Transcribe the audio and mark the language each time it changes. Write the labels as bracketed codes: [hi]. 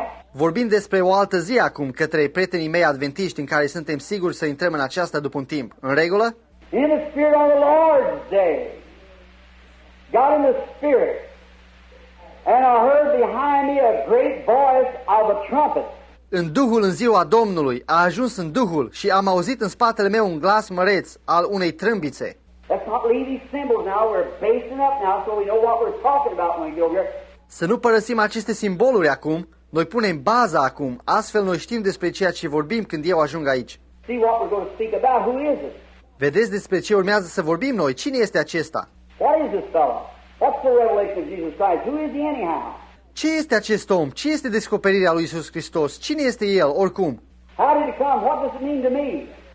[ro] Vorbind despre o altă zi acum, către prietenii mei adventiști în care suntem siguri să intrăm în aceasta după un timp. În regulă? [en] In the spirit of the Lord's day. Got in the spirit. And I heard behind me a great voice of a trumpet. [ro] În Duhul în ziua Domnului, a ajuns în Duhul și am auzit în spatele meu un glas măreț al unei trâmbițe. [en] Let's not leave these symbols now. We're basing up now so we know what we're talking about when we go here. [ro] Să nu părăsim aceste simboluri acum. Noi punem baza acum. Astfel noi știm despre ceea ce vorbim când eu ajung aici. [en] See what we're going to speak about. Who is it? [ro] Vedeți despre ce urmează să vorbim noi. Cine este acesta? [en] What is this fellow? What's the revelation of Jesus Christ? Who is he anyhow? [ro] Ce este acest om? Ce este descoperirea lui Iisus Hristos? Cine este el, oricum? [en] How did he come? What does it mean to me?